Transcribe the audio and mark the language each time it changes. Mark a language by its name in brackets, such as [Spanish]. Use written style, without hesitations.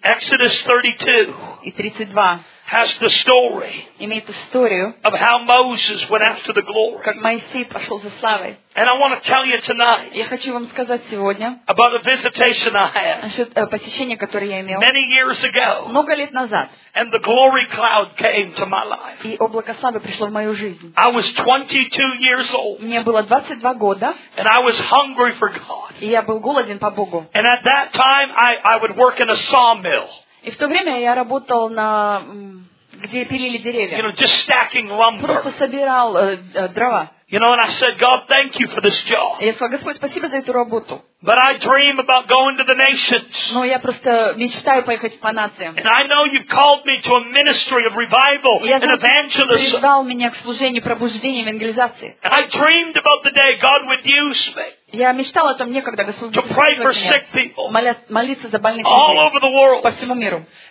[English] Exodus 32. [Russian] И 32. [English] Has the story. [Russian] Имеет историю. [English] Of how Moses went after the glory. [Russian] Как Моисей пошел за славой. [English] And I want to tell you tonight. [Russian] Я хочу вам сказать сегодня. [English] About a visitation I had. [Russian] Насчет посещения, которое я имел. [English] Many years ago. [Russian] Много лет назад. [English] And the glory cloud came to my life. [Russian] И облако славы пришло в мою жизнь. [English] I was 22 years old. [Russian] Мне было 22 года. [English] And I was hungry for God. [Russian] И я был голоден по Богу. [English] And at that time I would work in a sawmill. [Russian] И в то время я работал на... где пилили деревья. [English] You know, just stacking lumber. [Russian] Просто собирал дрова. [English] You know, and I said, God, thank you for this job. [Russian] Я сказал, Господь, спасибо за эту работу. [English] But I dream about going to the nations. [Russian] Но я просто мечтаю поехать по нациям. [English] And I know you've called me to a ministry of revival and evangelism. [Russian] Я знаю, ты призвал меня к служению пробуждения и евангелизации. [English] And I dreamed about the day God would use me. [Russian] Я мечтал о том дне, когда Господь будет использовать меня, молиться за больных людей по всему миру.